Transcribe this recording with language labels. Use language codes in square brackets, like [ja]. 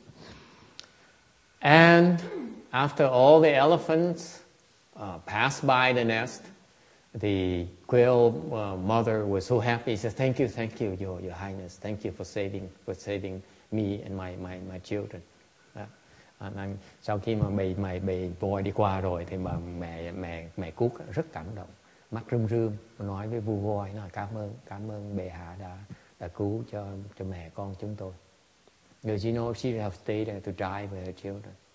[zh] 我会叫我的这个剩下的人呢，所有的象呢都绕路，不要踩到你的巢。我会站在他的前面保护他们，直到他们都走完为止。And [en] after all the elephants pass by the nest, the quail mother was so happy. She said, thank you, your highness. Thank you for saving me and my children." [vi] Nên sau khi mà bị voi đi qua rồi thì bà mẹ cuốc rất cảm động, mắt rưng rưng, nói với vua voi là cảm ơn bệ hạ đã cứu cho mẹ con chúng tôi. [en] Because you know she have stayed there to die with her children.